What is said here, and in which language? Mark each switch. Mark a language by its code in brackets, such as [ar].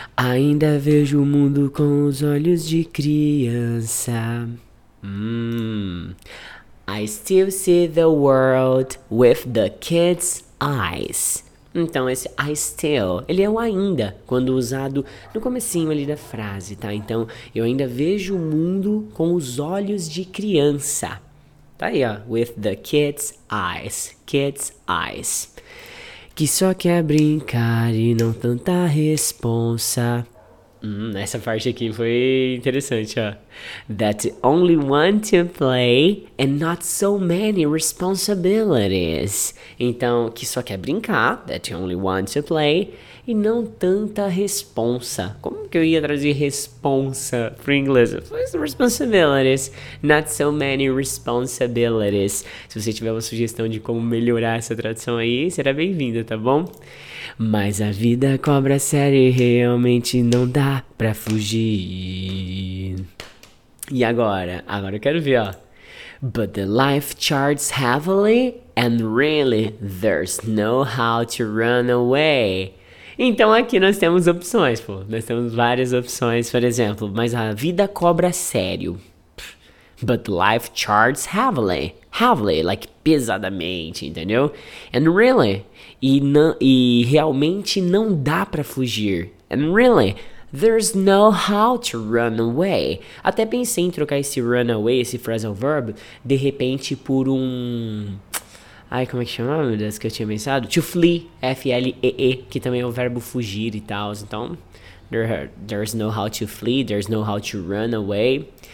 [pt] Ainda vejo o mundo com os olhos de criança. [en] I still see the world with the kids' eyes. [pt] Então, esse [en] I still, [pt] ele é o ainda, quando usado no comecinho ali da frase, tá? Então, eu ainda vejo o mundo com os olhos de criança. Tá aí, ó. [en] With the kids' eyes. Kids' eyes. [pt] Que só quer brincar e não tanta responsa. Essa parte aqui foi interessante, ó. [en] That only want to play and not so many responsibilities. [pt] Então, que só quer brincar, [en] that only want to play, [pt] e não tanta responsa. Como que eu ia trazer responsa pro inglês? [en] Responsibilities, not so many responsibilities. [pt] Se você tiver uma sugestão de como melhorar essa tradução aí, será bem-vinda, tá bom? Mas a vida cobra sério e realmente não dá pra fugir. E agora? Agora eu quero ver, ó. [en] But the life charts heavily and really there's no how to run away. [pt] Então aqui nós temos opções, pô. Nós temos várias opções, por exemplo. Mas a vida cobra sério. [en] But life charts heavily. Heavily, like [pt] pesadamente, entendeu? [en] And really, [pt] e realmente não dá pra fugir. [en] And really, there's no how to run away. [pt] Até pensei em trocar esse run away, esse phrasal verb, de repente por um... Ai, como é que chama, meu Deus, que eu tinha pensado? To flee, F-L-E-E, que também é o verbo fugir e tal. Então, [en] there's no how to flee, there's no how to run away.